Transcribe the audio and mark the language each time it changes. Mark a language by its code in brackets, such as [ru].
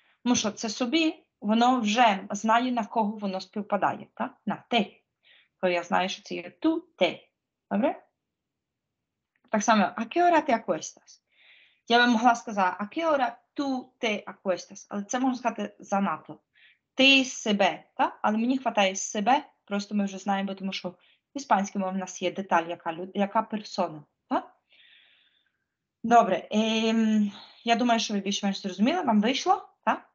[uk] Тому що це собі, воно вже знає, на кого воно співпадає. Так? На «те». То я знаю, що це є [es] «Tú te». [uk] Добре? Так само [es] «A qué hora te acuestas?». [uk] Я би могла сказати, а [es] qué hora tú te acuestas? [uk] Але це можна сказати занадто. Ти себе, так? Але мені хватає себе, просто ми вже знаємо, тому що в іспанській мові в нас є деталь, яка персона, так? Добре, я думаю, що ви більш-менш зрозуміли, вам вийшло, так?